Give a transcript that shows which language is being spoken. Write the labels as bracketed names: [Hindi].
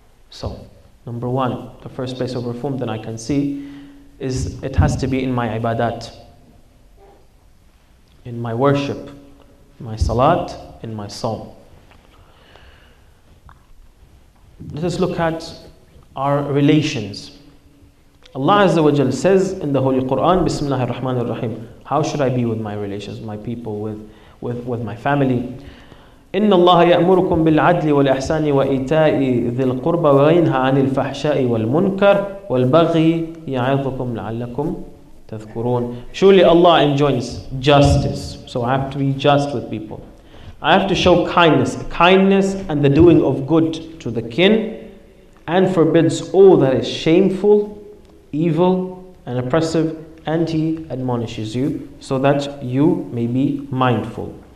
[English] So, number one, the first place of reform that I can see is it has to be in my ibadat, in my worship, my salat, in my psalm. Let us look at our relations. Allah Azza wa Jal says in the Holy Quran, Bismillah ar-Rahman ar-Rahim, how should I be with my relations, my people, with my family? [Arabic] إن الله يأمركم بالعدل والإحسان وإيتاء ذي القربى وينهى عن الفحشاء والمنكر والبغي يعظكم لعلكم تذكرون. [English] Surely Allah enjoins justice. So I have to be just with people. I have to show kindness and the doing of good to the kin, and forbids all that is shameful, evil, and oppressive, and He admonishes you so that you may be mindful.